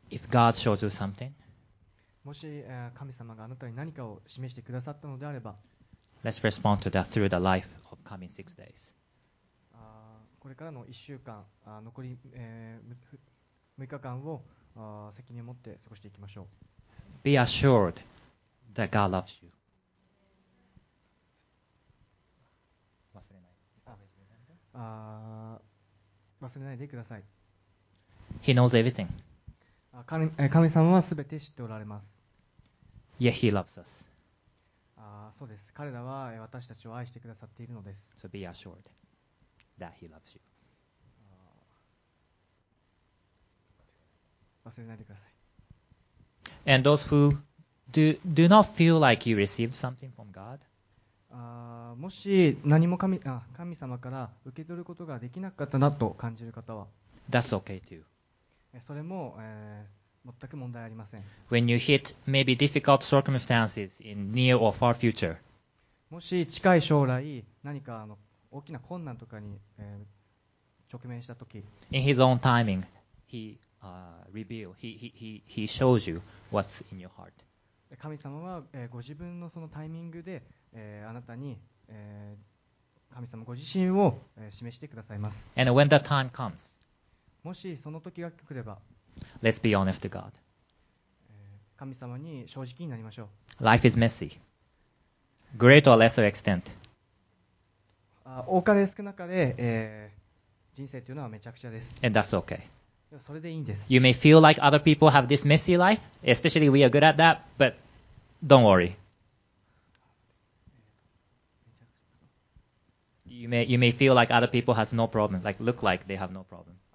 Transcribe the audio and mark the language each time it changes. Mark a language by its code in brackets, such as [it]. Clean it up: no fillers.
[en] God shows you something, [ja] もし神様があなたに何かを示してくださったのであれば、 [en] Let's respond to that through the life of coming six days. [ja] これからの1週間、残り6日間を責任を持って過ごしていきましょう。 [en] Be assured that God loves you. [ja] 忘れない。忘れないでください。 [en] He knows everything. [ja] 神様はすべて知っておられます。 [en] Yet He loves us. [ja] そうです。彼らは私たちを愛してくださっているのです。 [en] So be assured that He loves you. [ja] 忘れないでください。 [en] And those who do not feel like you received something from God. [ja] もし何も神様から受け取ることができなかったなと感じる方は、 [en] That's okay too. [ja] それも、全く問題ありません。 [en] When you hit maybe difficult circumstances in near or far future. [ja] もし近い将来何か大きな困難とかに、直面したとき、 [en] In his own timing, he shows you what's in your heart. [ja] 神様は、ご自分のそのタイミングで、あなたに、神様ご自身を、示してくださいます。 [en] And when the time comes, [ja] もしその時が来れば、 [en] Let's be honest to God. [ja] 神様に正直になりましょう。 [en] Life is messy. Great or lesser extent. [ja] 多かれ少なかれ、人生というのはめちゃくちゃです。 [en] And that's okay. [ja] それでいいんです。 [en] You may feel like other people have this messy life, especially we are good at that, but don't worry. You may feel like other people has no problem, like look like they have no problem.